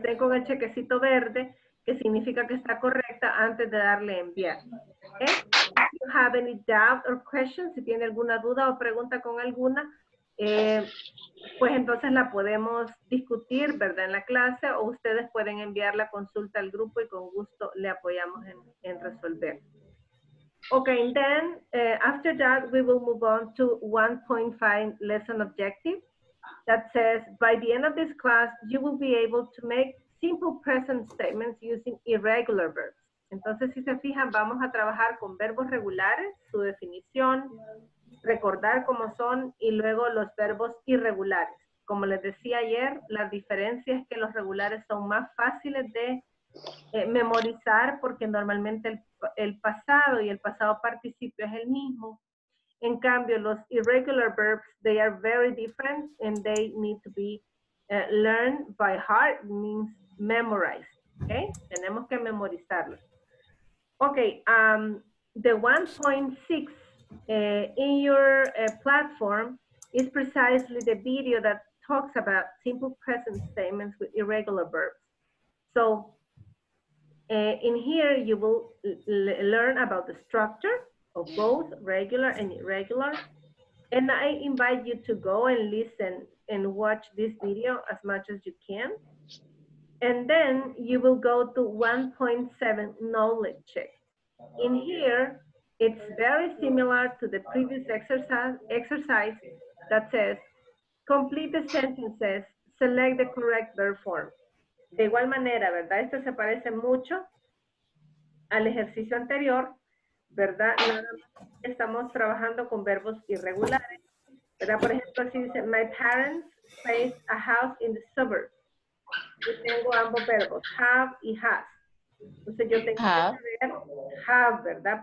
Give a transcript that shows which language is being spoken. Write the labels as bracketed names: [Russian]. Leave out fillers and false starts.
[Spanish] Estén con el chequecito verde, que significa que está correcta antes de darle enviar. [English] Okay? If you have any doubt or question, [Spanish] si tiene alguna duda o pregunta con alguna, pues entonces la podemos discutir, ¿verdad? En la clase, o ustedes pueden enviar la consulta al grupo y con gusto le apoyamos en resolver. [English] Okay, and then after that, we will move on to 1.5 lesson objective that says, by the end of this class, you will be able to make simple present statements using irregular verbs. [Spanish] Entonces, si se fijan, vamos a trabajar con verbos regulares, su definición, recordar cómo son, y luego los verbos irregulares. Como les decía ayer, la diferencia es que los regulares son más fáciles de memorizar porque normalmente el pasado y el pasado participio es el mismo. En cambio, los [English] irregular verbs, they are very different and they need to be Learn by heart means memorize. Okay, [Spanish] tenemos que memorizarlo. [English] Okay, the 1.6 in your platform is precisely the video that talks about simple present statements with irregular verbs. So in here, you will learn about the structure of both regular and irregular. And I invite you to go and listen and watch this video as much as you can. And then you will go to 1.7 knowledge check. In here, it's very similar to the previous exercise that says, complete the sentences, select the correct verb form. [Spanish] De igual manera, ¿verdad? Esto se parece mucho al ejercicio anterior, ¿verdad? Estamos trabajando con verbos irregulares, ¿verdad? Por ejemplo, si dice, [English] my parents face a house in the suburbs. [Spanish] Yo tengo ambos verbos, have y has. Entonces yo tengo que saber have, ¿verdad?